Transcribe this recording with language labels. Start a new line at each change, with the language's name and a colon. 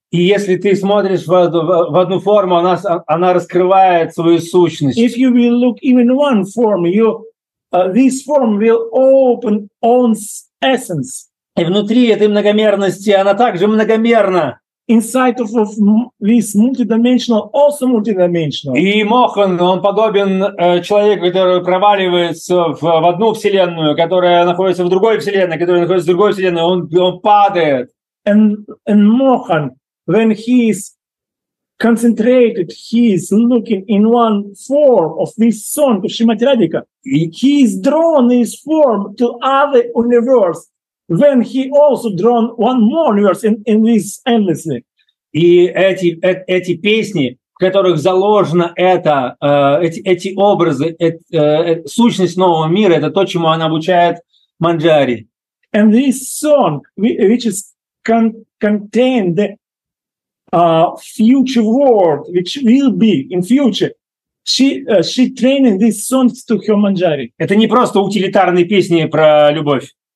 Russian: И если ты смотришь в одну форму, она раскрывает свою сущность.
English: If you will look even one form, you this form will open on essence.
Russian: И внутри этой многомерности она также многомерна.
English: Inside of this multidimensional, also multidimensional.
Russian: И Мохан, он подобен человеку, который проваливается в одну вселенную, которая находится в другой вселенной, которая находится в другой вселенной, он падает.
English: And Mohan, when he is concentrated, he is looking in one form of this sun, of Shrimati Radhika. He is drawn his form to other universe. When he also drawn one more universe in this endlessly.
Russian: И эти песни, в которых заложено это, эти образы, сущность нового мира, это то, чему она обучает Манджари.
English: And this song, which is contain the future world, which will be in future, she training these songs to her Manjari.
Russian: Это не просто утилитарные песни про любовь.